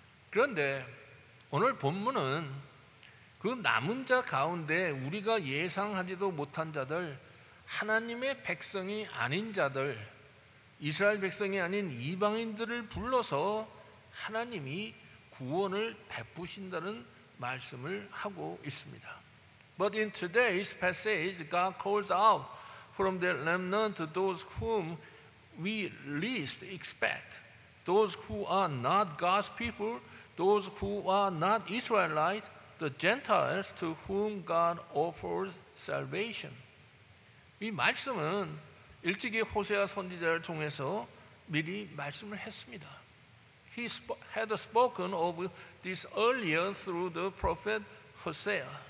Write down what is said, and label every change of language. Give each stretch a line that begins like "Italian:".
Korean: 그런데 오늘 본문은 그 남은 자 가운데 우리가 예상하지도 못한 자들, 하나님의 백성이 아닌 자들, 이스라엘 백성이 아닌 이방인들을 불러서 하나님이 구원을 베푸신다는 말씀을 하고 있습니다.
English: But in today's passage, God calls out from the remnant those whom we least expect, those who are not God's people, those who are not Israelite, the Gentiles to whom God offers salvation.
Korean: 이 말씀은 일찍이 호세아 선지자를 통해서 미리 말씀을 했습니다.
English: He had spoken of this earlier through the prophet Hosea.